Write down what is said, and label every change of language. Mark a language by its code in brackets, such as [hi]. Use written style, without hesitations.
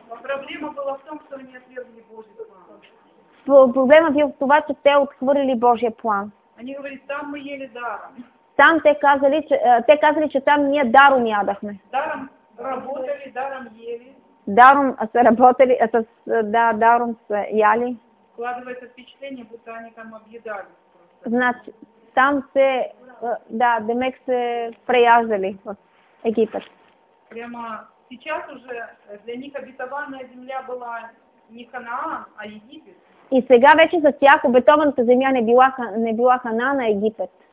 [ru] Проблема била в том, что они отвергли Божий план. [bg] Проблема била в това, че те отхвърлили Божия план. [ru] Они говорили, там мы ели даром. [bg] Там те казали, че там ние даром ядахме. [ru] Даром работали, даром ели. [bg] Даром са работали, даром са яли. [ru] Складывается впечатление, будто они там объедали. [bg] Значи, там се, демек се преяждали в Египет. [ru] Прямо сейчас уже для них обетованная земля была не Ханаан, а Египет. [bg] И сега вече за тях обетованата земя не била Ханаан, а Египет.